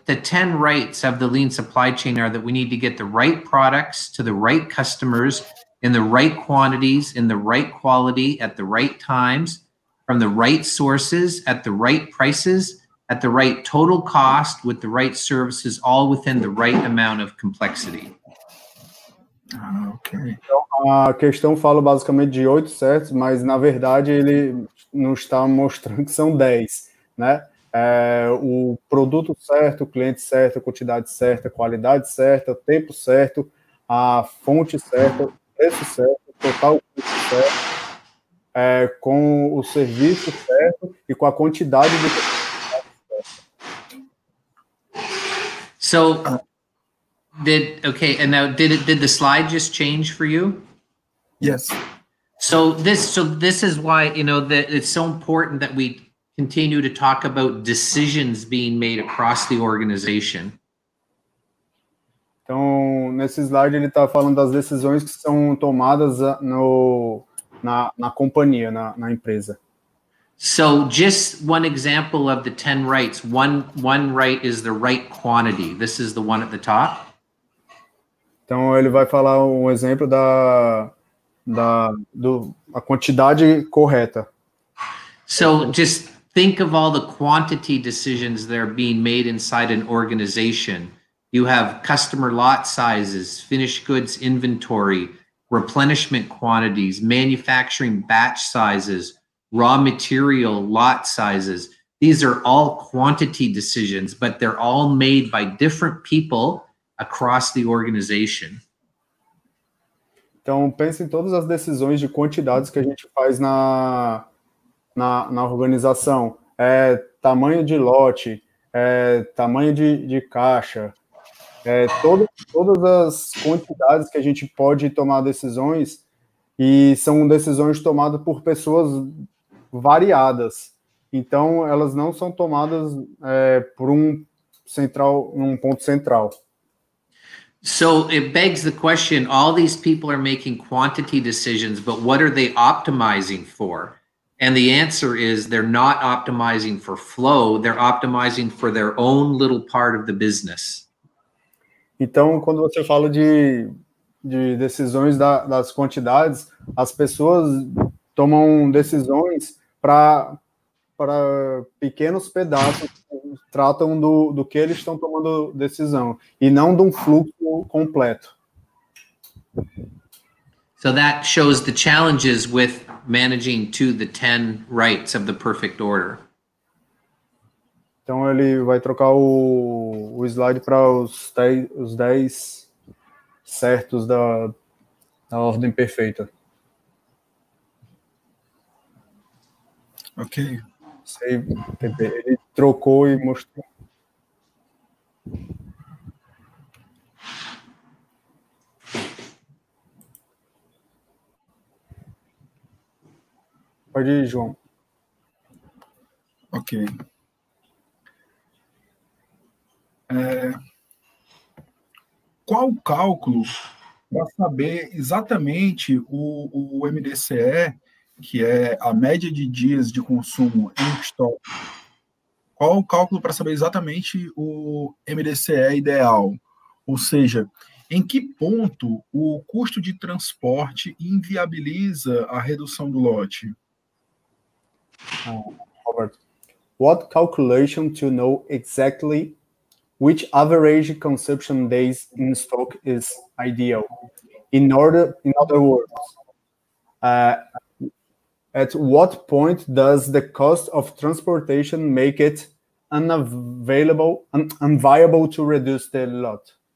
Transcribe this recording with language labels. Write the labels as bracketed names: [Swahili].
[English] the 10 rights of the lean supply chain are that we need to get the right products to the right customers in the right quantities, in the right quality, at the right times, from the right sources, at the right prices, at the right total cost, with the right services, all within the right amount of complexity. Ok. [Portuguese] Então, a questão fala basicamente de 8 certos, mas, na verdade, ele nos está mostrando que são 10, né? O produto certo, o cliente certo, a quantidade certa, a qualidade certa, o tempo certo, a fonte certa, o preço certo, o total custo certo, com o serviço certo e com a quantidade de... [English] So, did the slide just change for you? Yes. So this is why, you know, that it's so important that we continue to talk about decisions being made across the organization. [Portuguese] Então, nesse slide ele está falando das decisões que são tomadas na companhia, na empresa. [English] So, just one example of the 10 rights. One right is the right quantity. This is the one at the top. [Portuguese] Então, ele vai falar um exemplo da quantidade correta. [English] So, just think of all the quantity decisions that are being made inside an organization. You have customer lot sizes, finished goods inventory, replenishment quantities, manufacturing batch sizes, raw material lot sizes. These are all quantity decisions, but they're all made by different people across the organization. [Portuguese] Então, pense em todas as decisões de quantidades que a gente faz na organização. Tamanho de lote, tamanho de caixa, todas as quantidades que a gente pode tomar decisões, e são decisões tomadas por pessoas variadas. Então, elas não são tomadas por um ponto central. [English] So it begs the question, all these people are making quantity decisions, but what are they optimizing for? And the answer is they're not optimizing for flow, they're optimizing for their own little part of the business. [Portuguese] Então, quando você fala de decisões das quantidades, as pessoas tomam decisões para pequenos pedaços, tratam do que eles estão tomando decisão, e não de um fluxo completo. [English] So that shows the challenges with managing to the 10 rights of the perfect order. [Portuguese] Então ele vai trocar o slide para os 10 certos da ordem perfeita. Ok. Save. Ele trocou e mostrou. Pode ir, João. Ok. Qual o cálculo para saber exatamente o MDCE, que é a média de dias de consumo em estoque? Qual o cálculo para saber exatamente o MDCE ideal? Ou seja, em que ponto o custo de transporte inviabiliza a redução do lote? [English] Robert, what calculation to know exactly which average consumption days in stock is ideal? In other words, at what point does the cost of transportation make it unviable to reduce the lot?